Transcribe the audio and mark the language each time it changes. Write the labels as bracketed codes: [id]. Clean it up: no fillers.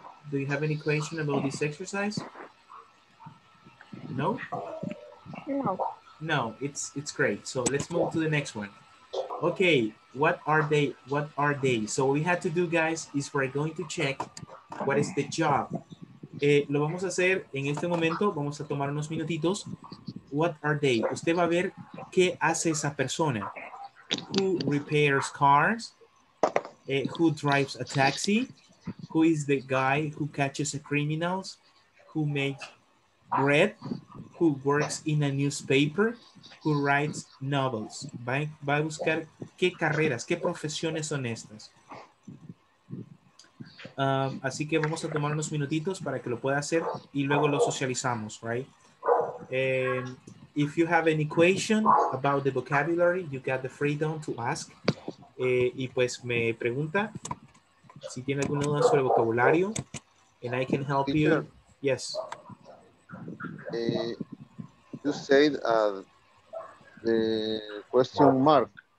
[en] Do you have any question about this exercise? No? No. No, it's great. So let's move to the next one. Okay, what are they? So what we have to do, guys, is we're going to check what is the job. [es] Lo vamos a hacer en este momento, vamos a tomar unos minutitos. [en] What are they? [es] Usted va a ver qué hace esa persona. [en] Who repairs cars? Who drives a taxi? Who is the guy who catches the criminals? Who makes bread? Who works in a newspaper? Who writes novels? [es] Va a buscar qué carreras, qué profesiones son estas. Así que vamos a tomar unos minutitos para que lo pueda hacer y luego lo socializamos, right? [en] If you have any question about the vocabulary, you got the freedom to ask. [es] Y pues me pregunta si tiene alguna duda sobre vocabulario. [en] And I can help you. Yes. You said the question mark.